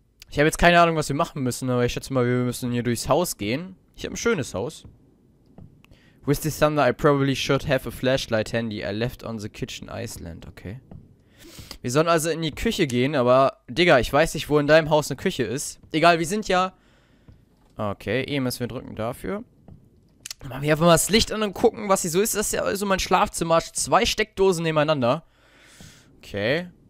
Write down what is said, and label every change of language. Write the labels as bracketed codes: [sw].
[de] Ich habe jetzt keine Ahnung, was wir machen müssen, aber ich schätze mal, wir müssen hier durchs Haus gehen. Ich habe ein schönes Haus. [en] With the thunder, I probably should have a flashlight handy. I left on the kitchen island. Okay. [de] Wir sollen also in die Küche gehen, aber... Digga, ich weiß nicht, wo in deinem Haus eine Küche ist. Egal, wir sind ja... Okay, E müssen wir drücken dafür. Machen wir einfach mal das Licht an und gucken, was hier so ist. Das ist ja so mein Schlafzimmer. Zwei Steckdosen nebeneinander. Okay.